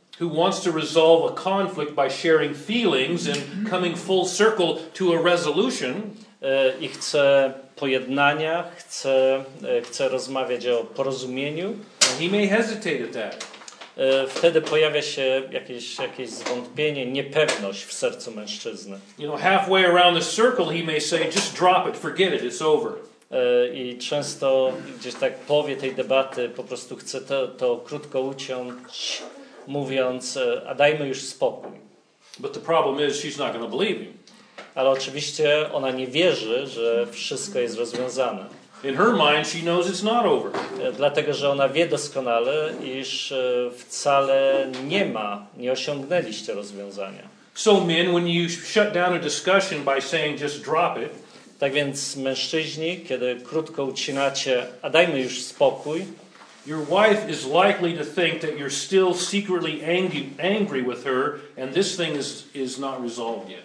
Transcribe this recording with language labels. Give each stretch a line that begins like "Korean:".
English: who wants to resolve a conflict by sharing feelings and coming full circle to a resolution,
Polish: i chce pojednania, chce rozmawiać o porozumieniu,
English: he may hesitate at that.
Polish: Wtedy pojawia się jakieś zwątpienie, niepewność w sercu mężczyzny.
English: You know, halfway around the circle he may say, just drop it, forget it, it's over.
Polish: I często gdzieś tak powie tej debaty, po prostu chce to krótko uciąć, mówiąc, a dajmy już spokój.
English: But the problem is, she's not going to believe him.
Polish: Ale oczywiście ona nie wierzy, że wszystko jest rozwiązane.
English: In her mind she knows it's not over.
Polish: Dlatego, że ona wie doskonale, iż wcale nie ma, nie osiągnęliście rozwiązania.
English: So men, when you shut down a discussion by saying just drop it.
Polish: Tak więc mężczyźni, kiedy krótko ucinacie, a dajmy już spokój.
English: Your wife is likely to think that you're still secretly angry with her and this thing is not resolved yet.